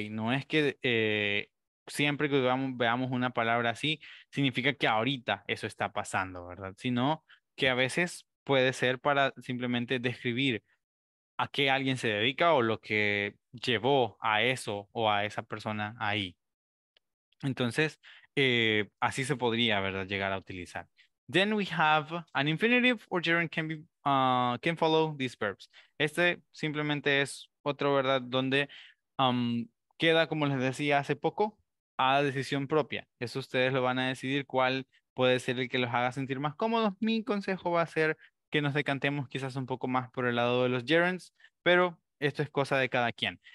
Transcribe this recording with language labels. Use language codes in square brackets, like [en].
[es] No es que siempre que veamos una palabra así, significa que ahorita eso está pasando, ¿verdad? Sino que a veces puede ser para simplemente describir a qué alguien se dedica o lo que llevó a eso o a esa persona ahí. Entonces, así se podría, ¿verdad?, llegar a utilizar. [en] Then we have an infinitive or gerund can follow these verbs. [es] Este simplemente es otro, ¿verdad?, donde queda, como les decía hace poco, a decisión propia. Eso ustedes lo van a decidir cuál puede ser el que los haga sentir más cómodos. Mi consejo va a ser que nos decantemos quizás un poco más por el lado de los gerunds, pero esto es cosa de cada quien.